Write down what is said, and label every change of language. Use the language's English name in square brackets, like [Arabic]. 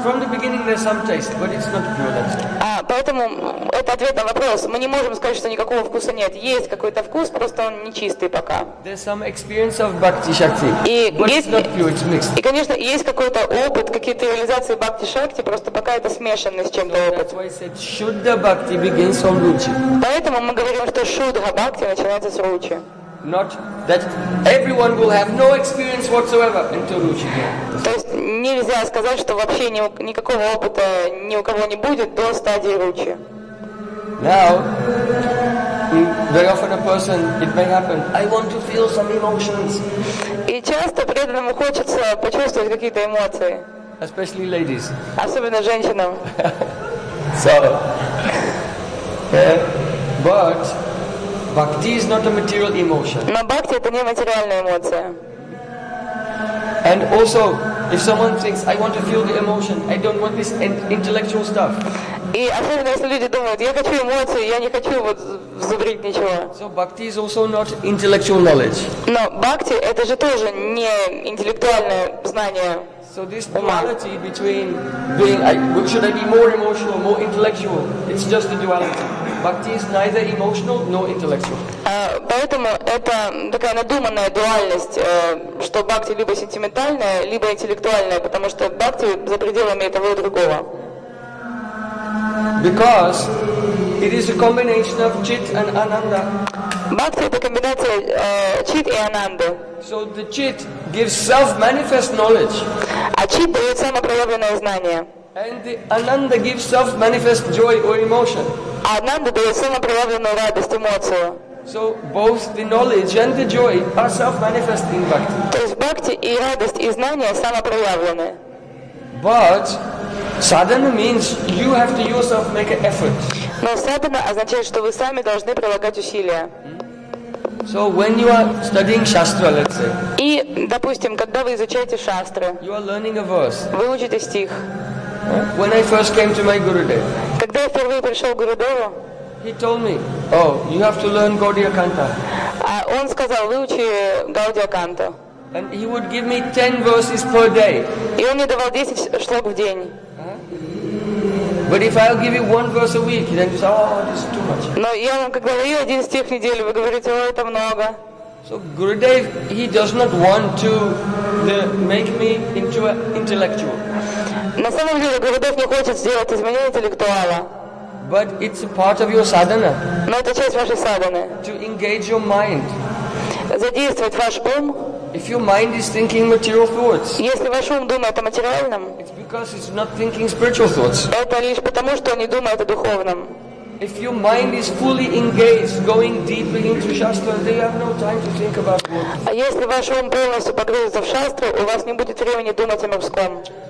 [English] From the beginning there's some taste, but it's not pure taste. [Russian] Поэтому это ответ на вопрос. Мы не можем сказать, что никакого вкуса нет. Есть какой-то вкус, просто он не чистый пока. [English] There's some experience of bhakti shakti, but it's not pure, it's mixed. [Russian] И конечно, есть какой-то опыт, какие-то реализации бхакти шакти, просто пока это смешанный с чем-то опыт. [English] That's why I said shuddha bhakti begins from ruchi. [Russian] Поэтому мы говорим, что шуддха бхакти начинается с ручи. [English] not that everyone will have no experience whatsoever in Turuchi. [Russian] То есть нельзя сказать, что вообще никакого опыта ни у кого не будет до стадии Ручи. [English] Now, very often a person, it may happen, I want to feel some emotions. [Russian] И часто преданному хочется почувствовать какие-то эмоции. [English] Especially ladies. [Russian] Особенно женщинам. [English] So, but bhakti is not a material emotion. [Russian] Но бхакти это не материальная эмоция. [English] And also, if someone thinks, I want to feel the emotion, I don't want this intellectual stuff. [Russian] И особенно если люди думают, я хочу эмоции, я не хочу вот зубрить ничего. [English] So bhakti is also not intellectual knowledge. [Russian] Но бхакти это же тоже не интеллектуальное знание. [English] So this duality between being, should I be more emotional, more intellectual? It's just a duality. Bhakti is neither emotional nor intellectual. [Russian] Поэтому это такая надуманная дуальность, что бхакти либо сентиментальная, либо интеллектуальная, потому что бхакти за пределами того и другого. [English] Because it is a combination of chit and ananda. [Russian] Бхакти это комбинация чит и ананды. [English] So the chit gives self-manifest knowledge. [Russian] А чит дает самопроявленное знание. [English] And the ananda gives self-manifest joy or emotion. [Russian] А ананда дает самопроявленную радость, эмоцию. [English] So both the knowledge and the joy are self-manifest in bhakti. [Russian] То есть бхакти и радость и знание самопроявлены. [English] But sadhana means you have to yourself make an effort. [Russian] Но садхана означает, что вы сами должны прилагать усилия. [English] So when you are studying shastra, let's say. [Russian] И допустим, когда вы изучаете шастры. [English] You are learning a verse. [Russian] Вы учите стих. [English] When I first came to my Gurudev. [Russian] Когда я впервые пришел к Гурудеву. [English] He told me, oh, you have to learn Gaudiya Kanta. [Russian] Он сказал, выучи Gaudiya Kanta. [English] And he would give me 10 verses per day. [Russian] И он мне давал 10 шлок в день. [English] But if I'll give you one verse a week, then you say, oh, this is too much. [Russian] Но я вам как говорю один стих в неделю, вы говорите, о, это много. [English] So Gurudev, he does not want to make me into an intellectual. [Russian] На самом деле Гурудев не хочет сделать из меня интеллектуала. [English] But it's a part of your sadhana. [Russian] Но это часть вашей садханы. [English] To engage your mind. [Russian] Задействовать ваш ум. [English] If your mind is thinking material thoughts. [Russian] Если ваш ум думает о материальном. [English] It's because it's not thinking spiritual thoughts. [Russian] Это лишь потому, что он не думает о духовном. [English] If your mind is fully engaged, going deeply into shastra, then you have no time to think about what. [Russian] Если ваш ум полностью погрузится в шастру, у вас не будет времени думать о мирском.